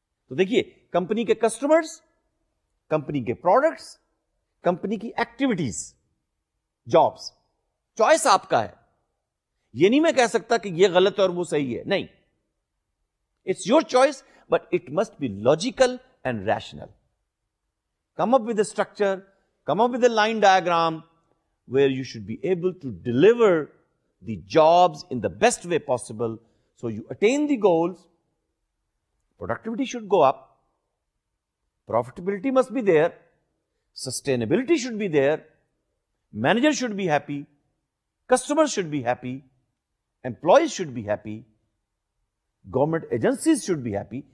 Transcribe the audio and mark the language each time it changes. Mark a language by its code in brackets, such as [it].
[ur] تو دیکھیے، کمپنی کے کسٹمرز، کمپنی کے پروڈکٹس، کمپنی کی ایکٹیویٹیز، جابس، چوائس آپ کا ہے. یہ نہیں میں کہہ سکتا کہ یہ غلط ہے اور وہ صحیح ہے، نہیں، [en] It's your choice, but it must be logical and rational. Come up with a structure, come up with a line diagram where you should be able to deliver the jobs in the best way possible, so you attain the goals. Productivity should go up, profitability must be there, sustainability should be there, manager should be happy, customers should be happy, employees should be happy, government agencies should be happy.